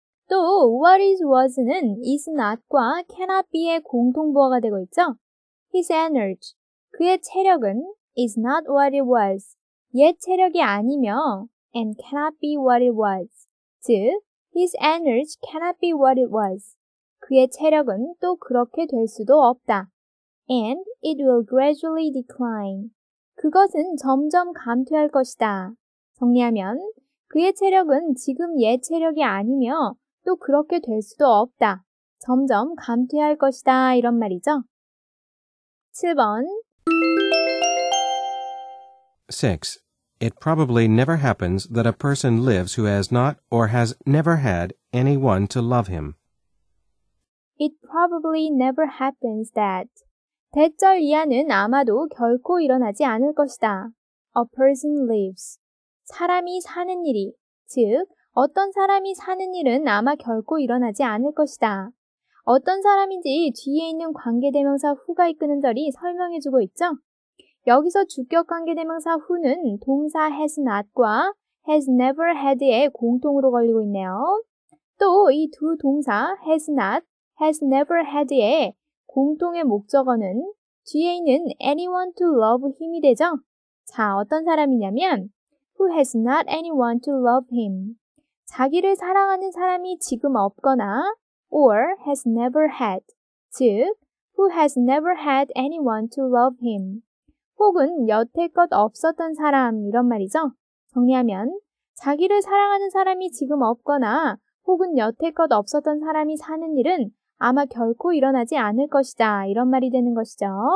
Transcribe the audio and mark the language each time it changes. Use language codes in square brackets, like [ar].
[ko] 또 what is was는 is not과 cannot be의 공통 부호가 되고 있죠. [en] His energy, [ko] 그의 체력은 [en] is not what it was, [ko] 옛 체력이 아니며 [en] and cannot be what it was, 즉 his energy cannot be what it was. [ko] 그의 체력은 또 그렇게 될 수도 없다. [en] And it will gradually decline. [ko] 그것은 점점 감퇴할 것이다. 정리하면 그의 체력은 지금 옛 체력이 아니며 또 그렇게 될 수도 없다. 점점 감퇴할 것이다. 이런 말이죠. 7번 6. [en] It probably never happens that a person lives who has not or has never had anyone to love him. It probably never happens that. [ko] 대절 이하는 아마도 결코 일어나지 않을 것이다. [en] A person lives. [ko] 사람이 사는 일이, 즉 어떤 사람이 사는 일은 아마 결코 일어나지 않을 것이다. 어떤 사람인지 뒤에 있는 관계대명사 who가 이끄는 절이 설명해주고 있죠. 여기서 주격 관계대명사 who는 동사 has not과 has never had의 공통으로 걸리고 있네요. 또 이 두 동사 has not, has never had의 공통의 목적어는 뒤에 있는 anyone to love him이 되죠? 자, 어떤 사람이냐면 [en] who has not anyone to love him. [ko] 자기를 사랑하는 사람이 지금 없거나 [en] or has never had. 즉, who has never had anyone to love him. [ko] 혹은 여태껏 없었던 사람 이런 말이죠. 정리하면 자기를 사랑하는 사람이 지금 없거나 혹은 여태껏 없었던 사람이 사는 일은 아마 결코 일어나지 않을 것이다. 이런 말이 되는 것이죠.